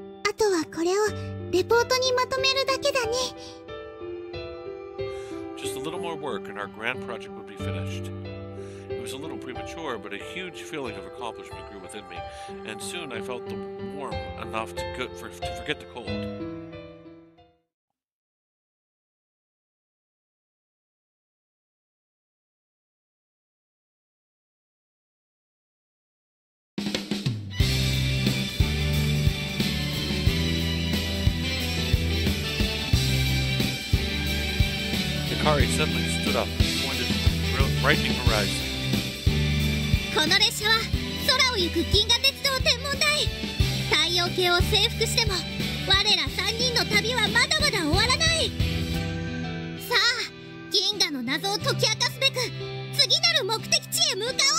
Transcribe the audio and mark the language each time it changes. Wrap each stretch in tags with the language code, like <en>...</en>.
<ja>あとはこれをレポートにまとめるだけだね!</ja> <en>Just a little more work and our grand project would be finished. It was a little premature, but a huge feeling of accomplishment grew within me, and soon I felt the warm enough to forget the cold. Hikari suddenly stood up and pointed to the brightening horizon.</en> <ja>この列車は空を行く銀河鉄道天文台太陽系を征服しても我ら3人の旅はまだまだ終わらない。さあ、銀河の謎を解き明かすべく次なる目的地へ向かおう。</ja>